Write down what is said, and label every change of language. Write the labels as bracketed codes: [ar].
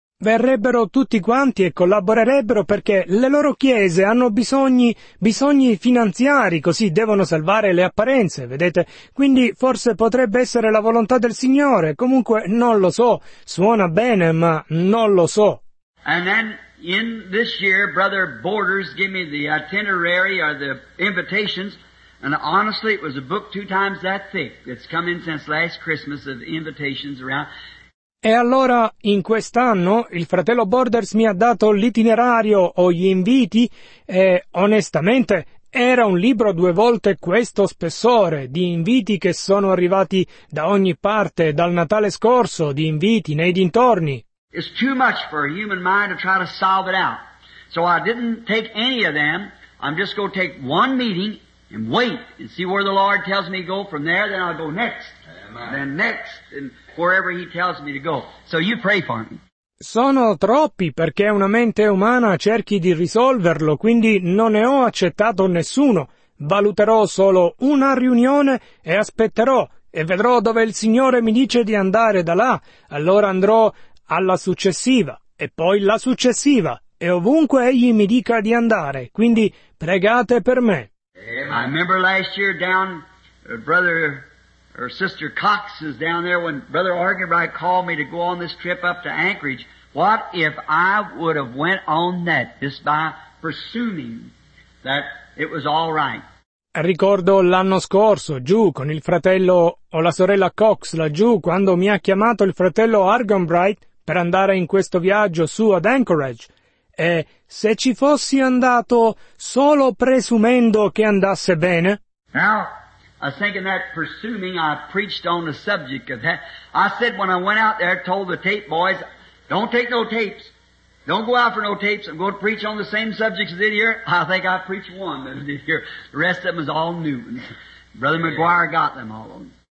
[it] Verrebbero tutti quanti e collaborerebbero perché le loro chiese hanno bisogni finanziari, così devono salvare le apparenze, vedete? Quindi forse potrebbe essere la volontà del Signore, comunque non lo so, suona bene, ma non lo so. [en] And then in this year, Brother Borders gave me the itinerary or the invitations, and honestly it was a book two times that thick that's come in since last Christmas of invitations around. [it] E allora, in quest'anno, il fratello Borders mi ha dato l'itinerario o gli inviti e, onestamente, era un libro due volte questo spessore di inviti che sono arrivati da ogni parte, dal Natale scorso, di inviti nei dintorni. [en] It's too much for a human mind to try to solve it out. So I didn't take any of them. I'm just going to take one meeting and wait and see where the Lord tells me to go from there, then I'll go next. And then next, and wherever he tells me to go. So you pray for me. [it] Sono troppi perché una mente umana cerchi di risolverlo, quindi non ne ho accettato nessuno. Valuterò solo una riunione e aspetterò e vedrò dove il Signore mi dice di andare da là. Allora andrò alla successiva e poi la successiva e ovunque Egli mi dica di andare. Quindi pregate per me. [en] I remember last year down, brother or sister Cox is down there when brother Argenbright called me to go on this trip up to Anchorage. What if I would have went on that just by presuming that it was all right? [it] Ricordo l'anno scorso giù con il fratello o la sorella Cox laggiù quando mi ha chiamato il fratello Argenbright per andare in questo viaggio su ad Anchorage. E se ci fossi andato solo presumendo che andasse bene? [en] Now, I think in that presuming I preached on the subject of that. I said when I went out there, told the tape boys, don't take no tapes. Don't go out for no tapes. I'm going to preach on the same subject as in here. I think I preached one that did here. The rest of them is all new. Brother McGuire got them all.